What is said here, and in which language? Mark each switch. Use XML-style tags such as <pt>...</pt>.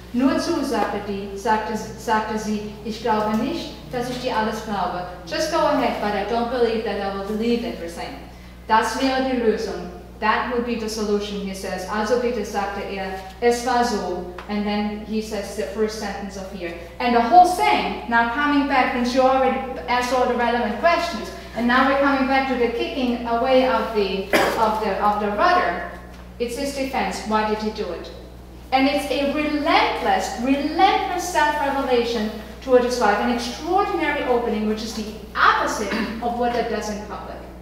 <de>Nur zu, sagte sie, ich glaube nicht, dass ich dir alles glaube.</de> <en>Just go ahead, but I don't believe that I will believe everything.</en> <de>Das wäre die Lösung.</de> <en>That would be the solution, he says.</en> <de>Also bitte, sagte er, es war so.</de> <en>And then he says the first sentence of here. And the whole thing, now coming back, since you already asked all the relevant questions, and now we're coming back to the kicking away of the rudder, it's his defense. Why did he do it? And it's a relentless, relentless self-revelation toward his wife, an extraordinary opening, which is the opposite of what it does in public.</en>